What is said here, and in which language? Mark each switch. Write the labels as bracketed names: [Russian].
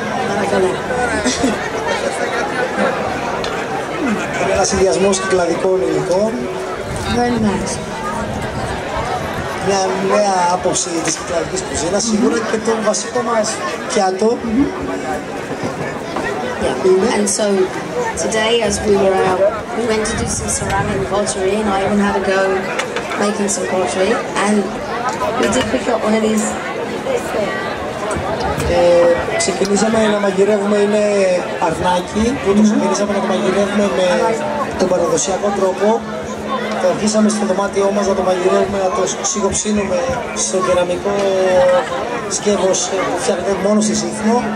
[Greek] Παρακαλώ. Ένα συνδυασμό κυκλαδικών υλικών. [English] Very nice. [Greek] Μια νέα άποψη τη κυκλαδική κουζίνα, σίγουρα και το βασικό μα πιάτο. [English] And so today, as we were out, we went to do some ceramic pottery, and I even had a go making some pottery. And we did pick up one of these. [Greek] Ξεκινήσαμε να μαγειρεύουμε, είναι αρνάκι που το ξεκινήσαμε να το μαγειρεύουμε με τον παραδοσιακό τρόπο. Το αρχίσαμε στο δωμάτιό μας να το μαγειρεύουμε, να το σιγοψύνουμε στο κεραμικό σκεύος που φτιάχνεται μόνο σε σύφνο.